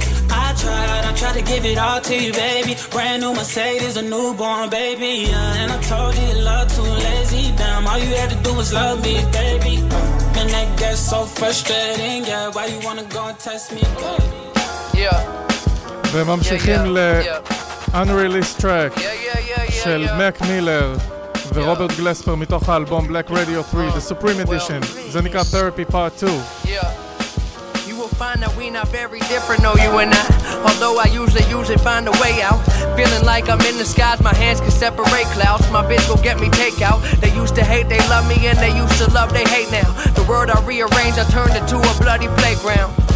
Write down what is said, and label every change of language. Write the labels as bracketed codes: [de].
[en] I tried to give it all to you, baby. Brand new Mercedes, a newborn baby, yeah. And I told you, love too lazy, damn. All you had to do was love me, baby. And that gets so frustrating, yeah. Why you wanna go and test me, baby? Yeah. Yeah, yeah, yeah, yeah. Unreleased track [he] של מק מילר ורוברט גלספר מתוך האלבום Black Radio 3, The Supreme Edition. זה נקרא Therapy Part 2. [en] You will find that we not very different, no you and I. Although I usually find a way out. Feeling like I'm in the skies, my hands can separate clouds. My bitch will get me takeout. They used to hate, they love me, and they used to love, they hate now. The world I rearranged, I turned into a bloody playground.